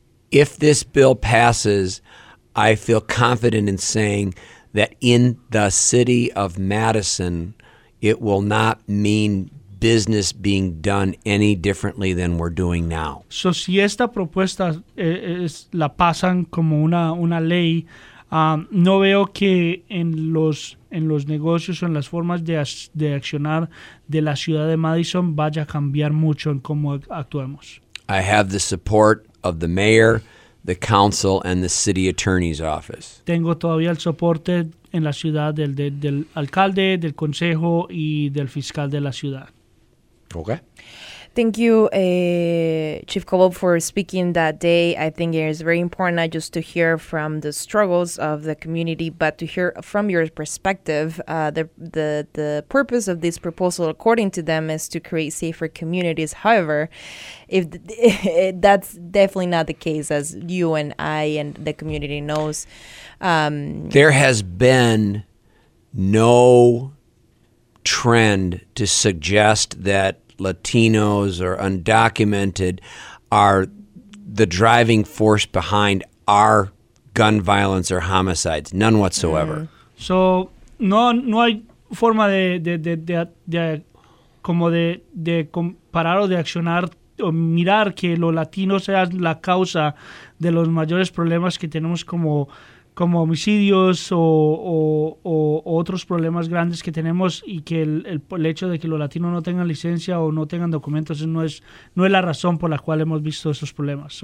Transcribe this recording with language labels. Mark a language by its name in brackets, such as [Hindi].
[English] If this bill passes, I feel confident in saying that in the city of Madison, it will not mean business being done any differently than we're doing now. [Spanish] So, si esta propuesta es la pasan como una ley, no veo que en los negocios o en las formas de accionar de la ciudad de Madison vaya a cambiar mucho en cómo actuemos. [English] I have the support of the mayor, the council, and the city attorney's office. [Spanish] Tengo todavía el soporte en la ciudad del alcalde, del consejo y del fiscal de la ciudad. [English] Okay. Thank you, Chief Cobalt, for speaking that day. I think it is very important not just to hear from the struggles of the community, but to hear from your perspective. The purpose of this proposal, according to them, is to create safer communities. However, if that's definitely not the case, as you and I and the community knows. There has been no trend to suggest that Latinos or undocumented are the driving force behind our gun violence or homicides. None whatsoever. Mm. [Spanish] So no hay forma de como de comparar o de accionar o mirar que los latinos sean la causa de los mayores problemas que tenemos como homicidios o otros problemas grandes que tenemos, y que el hecho de que los latinos no tengan licencia o no tengan documentos no es la razón por la cual hemos visto esos problemas.